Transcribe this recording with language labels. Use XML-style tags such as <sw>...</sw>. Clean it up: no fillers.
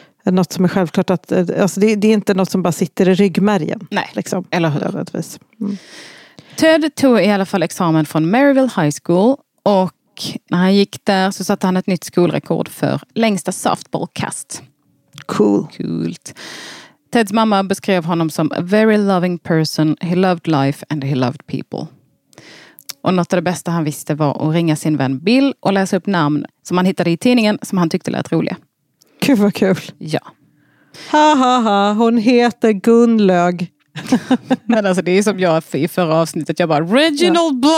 <sv>något som är självklart att, alltså det är inte något som bara sitter i ryggmärgen. Nej, liksom, eller hur? Mm. Ted tog i alla fall examen från Maryville High School, och när han gick där så satte han ett nytt skolrekord för längsta softballkast. Cool. Coolt. Teds mamma beskrev honom som</sv> <en>a very loving person, he loved life and he loved people.</en> <sv>Och något av det bästa han visste var att ringa sin vän Bill och läsa upp namn som han hittade i tidningen som han tyckte lät roliga. Gud vad kul. Ja. Ha ha ha, hon heter Gunlög. Men alltså det är som jag i förra avsnittet, jag bara Reginald ja.</sv>